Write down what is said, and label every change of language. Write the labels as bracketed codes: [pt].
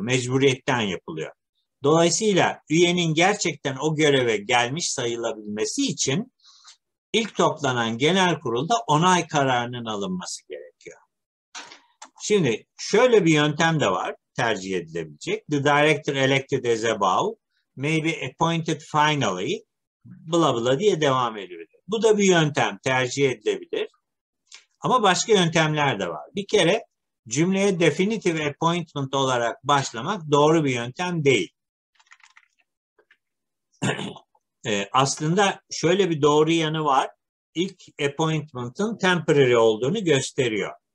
[tr] Mecburiyetten yapılıyor. Dolayısıyla üyenin gerçekten o göreve gelmiş sayılabilmesi için ilk toplanan genel kurulda onay kararının alınması gerekiyor. Şimdi şöyle bir yöntem de var tercih edilebilecek. [en] The director elected as above may be appointed finally bla bla [tr] diye devam edebilir. Bu da bir yöntem tercih edilebilir. Ama başka yöntemler de var. Bir kere cümleye [en] definitive appointment [tr] olarak başlamak doğru bir yöntem değil. Aslında şöyle bir doğru yanı var. İlk appointment'ın temporary olduğunu gösteriyor.